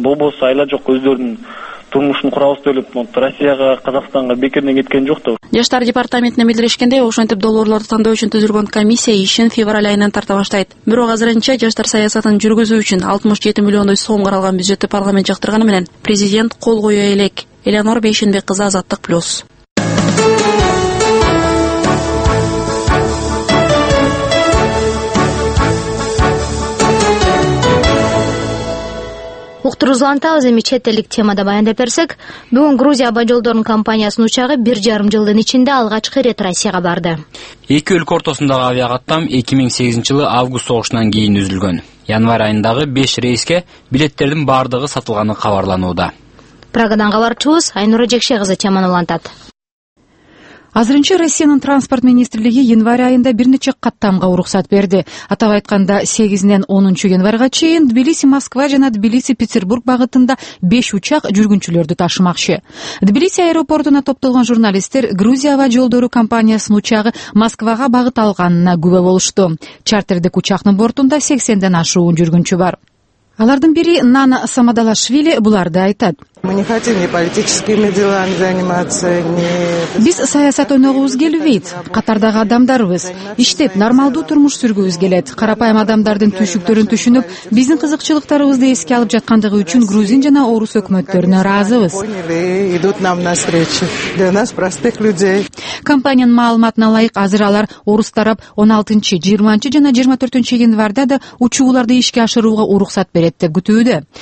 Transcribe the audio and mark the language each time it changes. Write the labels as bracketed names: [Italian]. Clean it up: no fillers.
[Kyrgyz] Болбосо айла жок, өздөрүнүн турмушун курабыз деп эле Россияга, Казакстанга бекерден кеткен жок да. Жаштар департаментине билдиришкендей, ошентип долбоорлорду тандоо үчүн түзүлгөн комиссия ишин февраль айынан тарта баштайт. Бирок азырынча жаштар саясатын жүргүзүү үчүн 67 миллиондой сом каралган бюджетти парламент жактырганы менен президент кол кое элек. Эленор Бейшенбек кызы, Азаттык Плюс. Укутурузулантабыз. Эми чет элдик темада баяндап берсек, бүгүн Грузия аба жолдорунун компаниясынын учагы 1.5 жылдын ичинде алгачкы ирет Россияга барды. Эки өлкө ортосундагы авиакаттам 2008-жылы август согушунан кийин үзүлгөн. Январь айындагы 5 рейске билеттердин баардыгы сатылганы кабарланууда. Прагадан кабарчыбыз Айнура Жекше кызы теманы улантат. Азырынча Россиянын транспорт министрлиги январь айында бир нече каттамга уруксат берди. Атап айтканда 8-10 январга чейин Тбилиси-Москва жана Тбилиси-Петербург багытында 5 учак жүргүнчүлөрдү ташымакчы. Тбилиси аэропортуна топтолгон журналисттер Грузия аба жолдору компаниясынын учагы Москвага багыт алганына күбө болушту. Чартердик учактын бортунда 80-ден ашуун жүргүнчү бар. Алардын бири Нана Самадалашвили буларды айтат. [Russian] Мы не хотим ни политическими делами заниматься, ни... [Kyrgyz] Биз саясат ойногубуз келбейт. Катардагы адамдарбыз. Иштеп, нормалдуу турмуш сүргүбүз келет. Карапайым адамдардын түйшүктөрүн түшүнүп, биздин кызыкчылыктарыбызды эске алып жаткандыгы үчүн грузин жана орус өкмөттөрүнө разыбыз. [Russian] Идут нам на встречи. Для нас простых людей. [Kyrgyz] Компаниянын маалыматына ылайык, азыр алар орус тарап 16-20 жана 24 январда да учууларды ишке ашырууга уруксат берет деп күтүүдө.